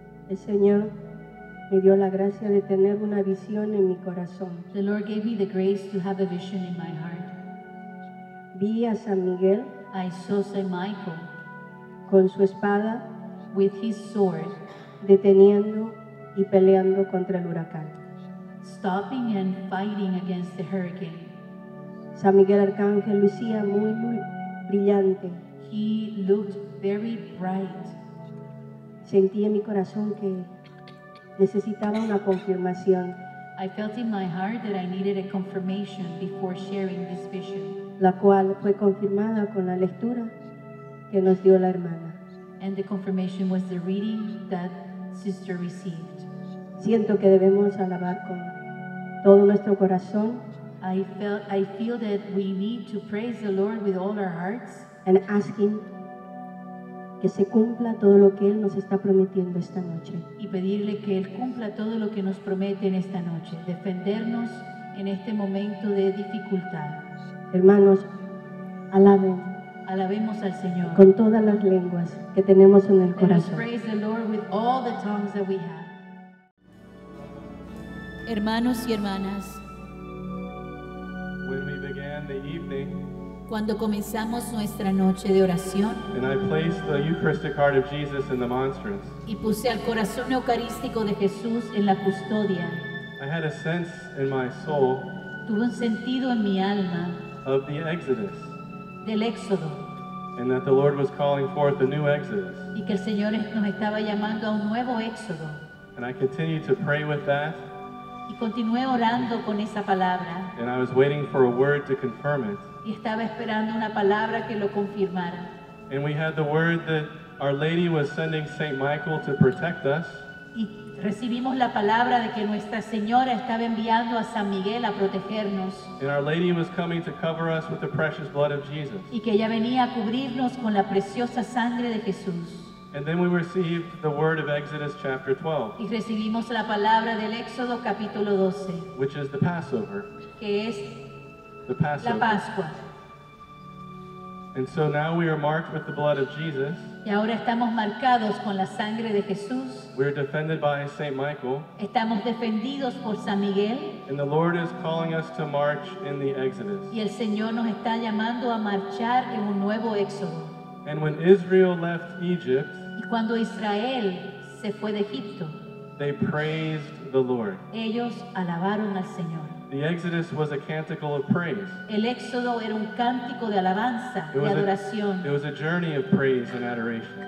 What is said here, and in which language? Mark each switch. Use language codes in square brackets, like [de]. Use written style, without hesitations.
[es] el Señor me dio la gracia de tener una visión en mi corazón. [en] The Lord gave me the grace to have a vision in my heart. [es] Vi a San Miguel. [en] I saw Saint Michael. [es] Con su espada. [en] With his sword. [es] Deteniendo y peleando contra el huracán. [en] Stopping and fighting against the hurricane. [es] San Miguel Arcángel lucía muy, muy brillante. [en] He looked very bright. [es] Sentí en mi corazón que necesitaba una confirmación. [en] I felt in my heart that I needed a confirmation before sharing this vision. [es] La cual fue confirmada con la lectura que nos dio la hermana. [en] And the confirmation was the reading that sister received. [es] Siento que debemos alabar con todo nuestro corazón. [en] I feel that we need to praise the Lord with all our hearts. and asking [es] que se cumpla todo lo que Él nos está prometiendo esta noche. Y pedirle que Él cumpla todo lo que nos promete en esta noche, defendernos en este momento de dificultad. Hermanos, alaben. Alabemos al Señor. Con todas las lenguas que tenemos en el corazón. [en] And praise the Lord with all the tongues that we have. [es] Hermanos y hermanas, [en] when we began the evening, [es] cuando comenzamos nuestra noche de oración, [en] and I placed the Eucharistic heart of Jesus in the monstrance, [es] y puse al corazón eucarístico de Jesús en la custodia, [en] I had a sense in my soul, [es] tuve un sentido en mi alma, [en] of the exodus, [es] del éxodo, [en] and that the Lord was calling forth a new exodus, [es] y que el Señor nos estaba llamando a un nuevo éxodo, [en] and I continued to pray with that, [es] y continué orando con esa palabra, [en] and I was waiting for a word to confirm it, [es] y estaba esperando una palabra que lo confirmara. [en] And we had the word that Our Lady was sending Saint Michael to protect us. [es] Y recibimos la palabra de que Nuestra Señora estaba enviando a San Miguel a protegernos. [en] And Our Lady was coming to cover us with the precious blood of Jesus. [es] Y que ella venía a cubrirnos con la preciosa sangre de Jesús. [en] And then we received the word of Exodus chapter 12. [es] Y recibimos la palabra del Éxodo capítulo 12. [en] Which is the Passover. [es] Que es [en] the Passover. [es] La Pascua. [en] And so now we are marked with the blood of Jesus. [es] Y ahora estamos marcados con la sangre de Jesús. [en] We are defended by Saint Michael. [es] Estamos defendidos por San Miguel. [en] And the Lord is calling us to march in the Exodus. [es] Y el Señor nos está llamando a marchar en un nuevo éxodo. [en] And when Israel left Egypt, [es] y cuando Israel se fue de Egipto, [en] they praised the Lord. [es] Ellos alabaron al Señor. [en] The Exodus was a canticle of praise. [es] El éxodo era un cántico de alabanza, de adoración. [en] It was a journey of praise and adoration.